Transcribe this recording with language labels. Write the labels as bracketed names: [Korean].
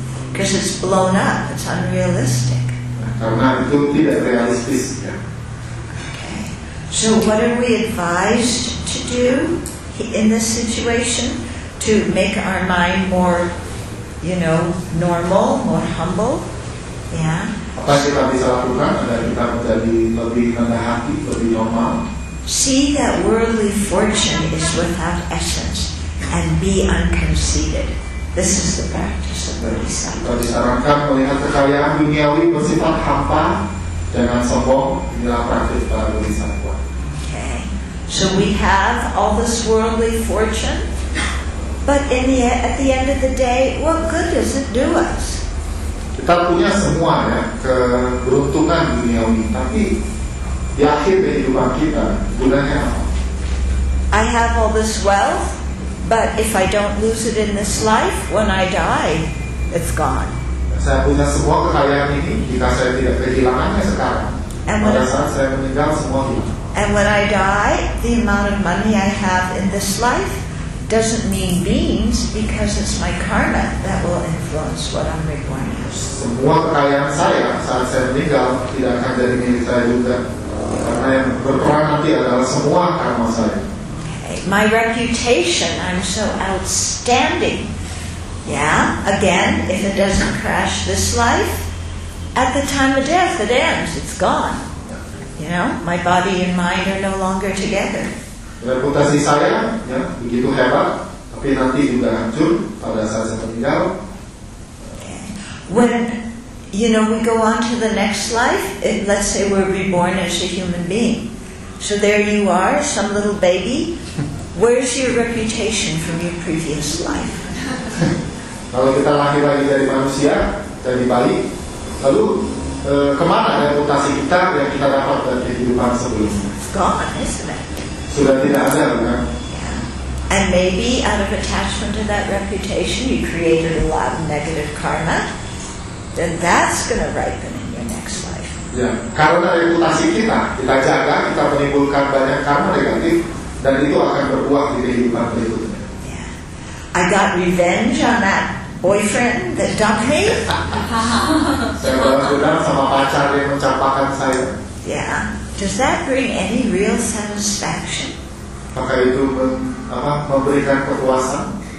[English] Because it's blown up, it's unrealistic. [Indonesian] Karena itu tidak realistis, ya. [English] Okay. So what are we advised to do in this situation to make our mind more, you know, normal, more humble? Yeah. [Indonesian] Apa yang kita bisa lakukan agar kita menjadi lebih rendah hati, lebih normal? [English] See that worldly fortune is without essence, and be unconceited. This is the practice of bodhisattva. [Indonesian] Disarankan melihat kekayaan duniawi bersifat hampa, jangan sombong. Inilah praktik para bodhisattva. [English] Okay. So we have all this worldly fortune, but at the end of the day, what good does it do us? [Indonesian] Kita punya semua ya keberuntungan duniawi, tapi di akhir kehidupan kita gunanya apa? [English] I have all this wealth. But if I don't lose it in this life, when I die, it's gone. [Indonesian] Saya punya semua kekayaan ini jika saya tidak kehilangannya sekarang. Pada saat saya meninggal semua hilang. [English] And when I die, the amount of money I have in this life doesn't mean beans because it's my karma that will influence what I'm reborn as. [Indonesian] Semua kekayaan saya saat saya meninggal tidak akan jadi milik saya juga. Karena yang berperan nanti adalah semua karma saya. [English] My reputation, I'm so outstanding. Yeah, again, if it doesn't crash this life, at the time of death, it ends, it's gone. You know, my body and mind are no longer together. [Indonesian] Reputasi saya, ya, begitu hebat, tapi nanti juga hancur pada saat saya meninggal. [English] When, you know, we go on to the next life, let's say we're reborn as a human being. So there you are, some little baby. Where's your reputation from your previous life? [Indonesian] Kalau kita lahir lagi dari manusia, dari bayi, lalu kemana reputasi kita yang kita dapat dari kehidupan sebelumnya? [English] Gone, isn't it? [Indonesian] Sudah tidak ada, kan? [English] Yeah. And maybe out of attachment to that reputation, you created a lot of negative karma. Then that's going to ripen in your next life. [Indonesian] Ya, karena reputasi kita jaga, kita menimbulkan banyak karma negatif. Dan itu akan berbuah di kehidupan berikutnya. [English] I got revenge on that boyfriend that dumped me. [Indonesian] Saya balas dendam sama pacar yang mencampakkan saya. [English] Yeah. Does that bring any real satisfaction? [Indonesian] Apakah itu memberikan kepuasan?